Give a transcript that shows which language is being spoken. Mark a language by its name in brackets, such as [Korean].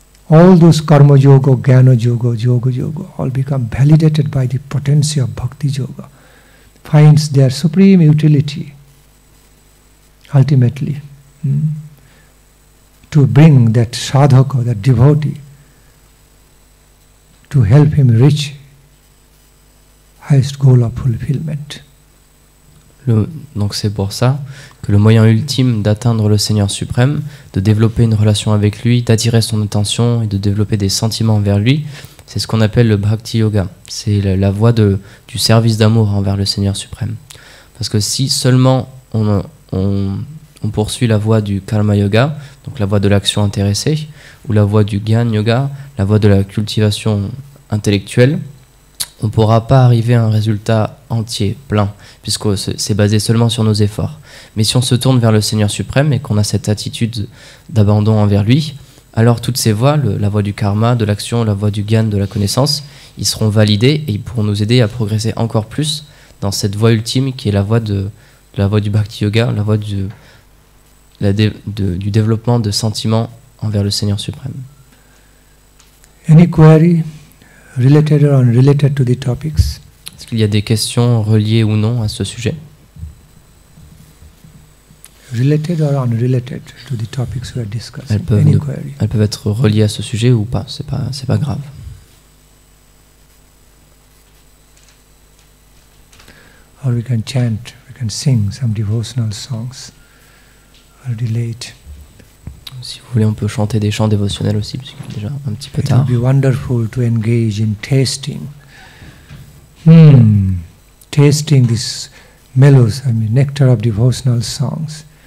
[English] All those karma yoga, jnana yoga, yoga yoga, all become validated by the potency of bhakti yoga, finds their supreme utility, ultimately, to bring that sadhaka, that devotee, to help him reach highest goal of fulfillment. [French] Donc c'est pour ça que le moyen ultime d'atteindre le Seigneur suprême, de développer une relation avec lui, d'attirer son attention et de développer des sentiments envers lui, c'est ce qu'on appelle le bhakti yoga. C'est la voie du service d'amour envers le Seigneur suprême. Parce que si seulement on poursuit la voie du karma yoga, donc la voie de l'action intéressée, ou la voie du jnana yoga, la voie de la cultivation intellectuelle, on ne pourra pas arriver à un résultat entier, plein, puisque c'est basé seulement sur nos efforts. Mais si on se tourne vers le Seigneur suprême et qu'on a cette attitude d'abandon envers lui, alors toutes ces voies, la voie du karma, de l'action, la voie du gyan, de la connaissance, ils seront validés et ils pourront nous aider à progresser encore plus dans cette voie ultime qui est la voie de la voie du bhakti yoga, la voie du développement de sentiments envers le Seigneur suprême. [English] Any query related or unrelated to the topics? [French] Est-ce qu'il y a des questions reliées ou non à ce sujet? [English] Related or unrelated to the topics we are discussing? [French] Elles peuvent être reliées à ce sujet ou pas, c'est pas grave. [English] Or we can chant, we can sing some devotional songs. Already late. [French] Si vous voulez, on peut chanter des chants dévotionnels aussi, puisqu'il est déjà un petit peu tard. [English] It would be wonderful to engage in tasting. Tasting this mellows, I mean, nectar of devotional songs.